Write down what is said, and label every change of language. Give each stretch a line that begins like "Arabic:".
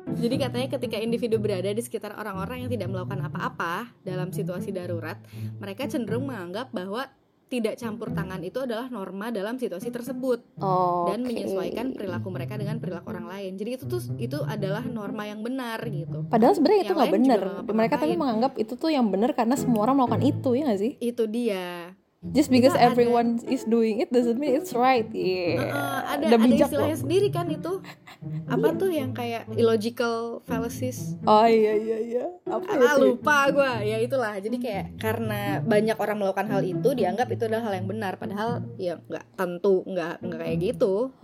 Indonesian: Jadi katanya ketika individu berada di sekitar orang-orang yang tidak melakukan apa-apa dalam situasi darurat, mereka cenderung menganggap bahwa tidak campur tangan itu adalah norma dalam situasi tersebut. Oh, dan menyesuaikan perilaku mereka dengan perilaku orang lain. Jadi itu adalah norma yang benar gitu. Padahal sebenarnya itu nggak benar. Mereka tapi menganggap itu tuh yang benar karena semua orang melakukan itu, ya nggak sih? Itu dia.
English: Just because kita everyone ada, is doing it doesn't mean it's right. Yeah.
Indonesian: Ada istilahnya sendiri kan itu. Apa yeah, tuh yang kayak illogical fallacies? Oh iya. Apa itu? Lupa gue. Ya itulah. Jadi kayak karena banyak orang melakukan hal itu dianggap itu adalah hal yang benar. Padahal ya nggak tentu, nggak kayak gitu.